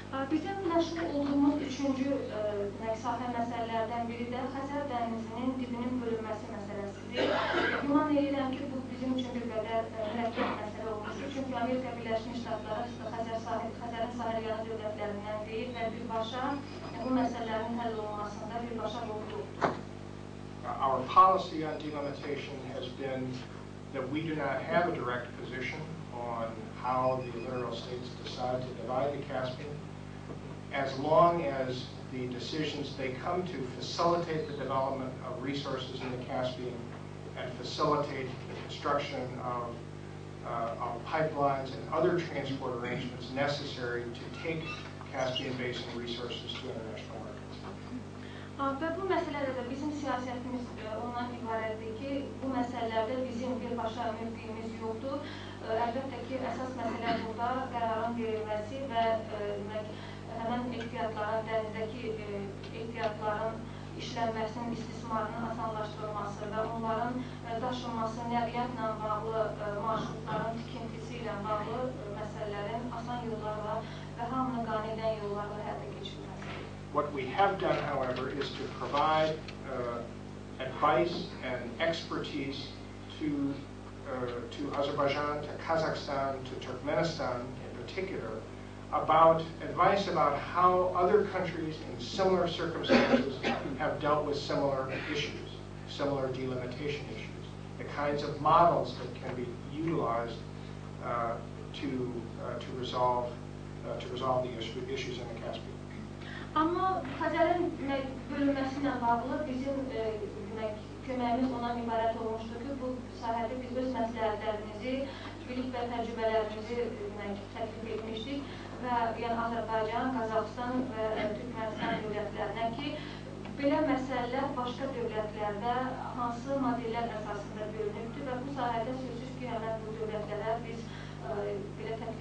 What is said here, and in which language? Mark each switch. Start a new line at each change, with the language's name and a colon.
Azerbaijani: Bizim məşğul olduğumuz üçüncü sahə məsələlərdən biri də Xəzər dənizinin dibinin bölünməsi məsələsidir. Güman edirəm ki, bu bizim üçün bir qədər mürəkkəb məsələ olmuşdur. Çünki Amerika Birləşmiş Ştatları Xəzərin sahil yanı dövlətlərindən deyil və birbaşa bu məsələlərin həll olunmasında birbaşa qorxuluqdur.
English: Our policy on delimitation has been that we do not have a direct position on how the literal states decide to divide the Caspian. As long as the decisions they come to facilitate the development of resources in the Caspian and facilitate the construction of pipelines and other transport arrangements necessary to take Caspian Basin resources to international markets.
Azerbaijani: Və bu məsələdə də bizim siyasətimiz ondan ibarətdir ki, bu məsələlərdə bizim birbaşa mövqeyimiz yoxdur. Əlbəttə ki, əsas məsələ burada qərarın verilməsi və həmən ehtiyatların, dənizdəki ehtiyatların işlənməsinin, istismarının asanlaşdırılması və onların daşınması, nəqliyyatla bağlı marşrutların tikintisi ilə bağlı məsələlərin asan yollarla və hamını qanə edən yollarla həyata keçirilməsi.
English: What we have done, however, is to provide advice and expertise to Azerbaijan, to Kazakhstan, to Turkmenistan in particular, about advice about how other countries in similar circumstances have dealt with similar issues, similar delimitation issues, the kinds of models that can be utilized to resolve the issues in the Caspian.
Azerbaijani: Amma Xəzərin bölünməsi ilə bağlı bizim köməyimiz ona ibarət olmuşdur ki, bu sahədə biz öz məsləhətlərimizi, bilik və təcrübələrimizi təklif etmişdik və yəni Azərbaycan, Qazaxıstan və Türkmenistan dövlətlərinə ki, belə məsələlər başqa dövlətlərdə hansı modellər əsasında bölünübdür və bu sahədə sözsüz ki, həmən bu dövlətlərə biz belə